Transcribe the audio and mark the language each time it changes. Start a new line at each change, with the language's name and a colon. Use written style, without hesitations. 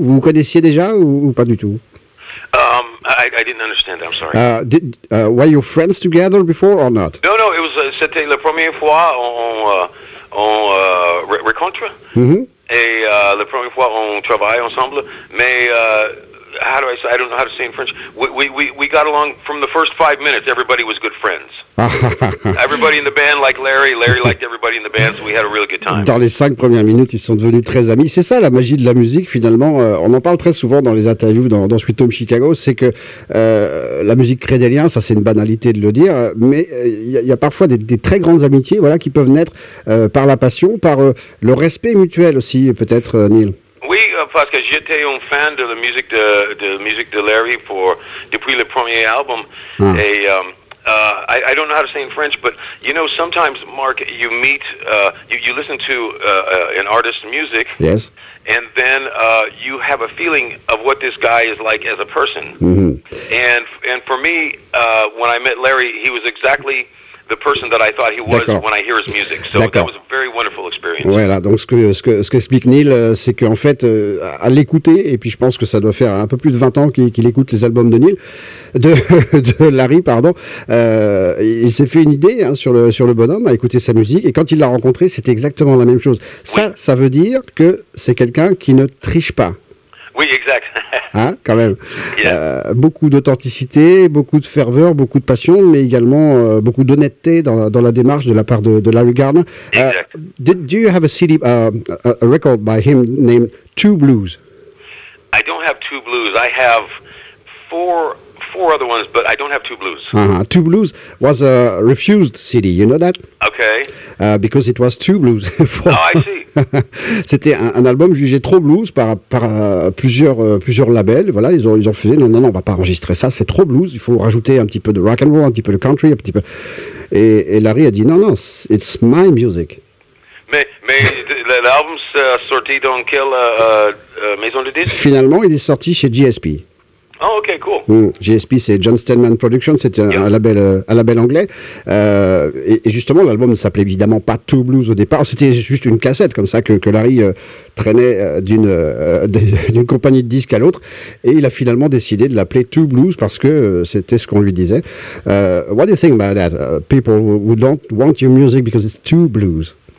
French: Vous vous connaissiez déjà ou pas du tout?
English: I didn't understand that, I'm sorry. Were you friends together before or not? No, it was,
French: c'était la première fois on rencontre, mm-hmm. Et la première fois on travaille ensemble,
English: mais how do I say, I don't know how to say in French. We got along from the first 5 minutes. Everybody was good friends. Everybody in the band liked Larry. Larry liked everybody in the band, so we had a really good time.
French: Dans les 5 premières minutes, ils sont devenus très amis. C'est ça la magie de la musique, finalement. On en parle très souvent dans les interviews dans Sweet Home Chicago. C'est que la musique crée des liens. Ça, c'est une banalité de le dire, mais il y a parfois des très grandes amitiés, voilà, qui peuvent naître par la passion, par le respect mutuel aussi, peut-être, Neil. Oui, parce que j'étais un fan de la musique de musique de Larry depuis le premier album. Ah.
English: Et I don't know how to say in French, but you know, sometimes Mark, you meet you listen to an artist's music. Yes. And then you have a feeling of what this guy is like as a person. Mm-hmm. And for me, when I met Larry, he was exactly the person that I thought he was.
French: D'accord.
English: When I hear his music. So
French: d'accord.
English: That was a very wonderful experience.
French: Voilà, donc ce qu'explique Neil, c'est qu'en fait, à l'écouter, et puis je pense que ça doit faire un peu plus de 20 ans qu'il écoute les albums de Neil, de Larry, il s'est fait une idée hein, sur le bonhomme, à écouter sa musique, et quand il l'a rencontré, c'était exactement la même chose. Ça, oui. Ça veut dire que c'est quelqu'un qui ne triche pas. Oui, exact. Hein, quand même.
English: Yeah.
French: Beaucoup d'authenticité, beaucoup de ferveur, beaucoup de passion, mais également beaucoup d'honnêteté dans la démarche de la part de Larry Gardner.
English: Exactly. Do you have a CD, a record by him named Two Blues? I don't have Two Blues. I have four other ones, but I don't have Two Blues. Two Blues was a refused CD, you know that? Okay. Because it was Two Blues. Oh, I see.
French: C'était un album jugé trop blues par plusieurs labels. Voilà, ils ont refusé. Non, on ne va pas enregistrer ça. C'est trop blues. Il faut rajouter un petit peu de rock and roll, un petit peu de country, un petit peu. Et Larry a dit non,
English: it's my music.
French: Mais l'album est sorti dans quelle maison de disques? Finalement, il est sorti chez GSP.
English: Oh, okay, cool.
French: GSP, c'est John Steinman Productions, c'est un label anglais. Et justement, l'album ne s'appelait évidemment pas Two Blues au départ. C'était juste une cassette comme ça que Larry traînait d'une compagnie de disques à l'autre. Et il a finalement décidé de l'appeler Two Blues parce que c'était ce qu'on lui disait.
English: What do you think about that? People who don't want your music because it's Two Blues.